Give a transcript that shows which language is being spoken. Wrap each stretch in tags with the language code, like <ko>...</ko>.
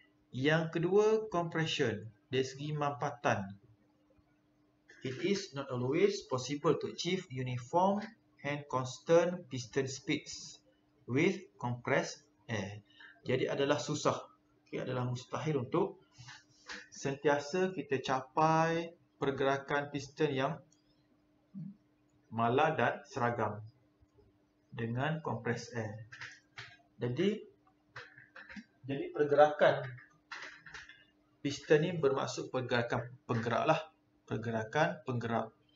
<ms>Yang kedua, compression dari segi mampatan.</ms> <en>It is not always possible to achieve uniform and constant piston speeds with compressed air.</en> <ms>Jadi adalah susah, okay, adalah mustahil untuk sentiasa kita capai pergerakan piston yang malar dan seragam dengan compressed air. Jadi pergerakan piston ni bermaksud pergerakan penggerak lah, pergerakan penggerak.</ms>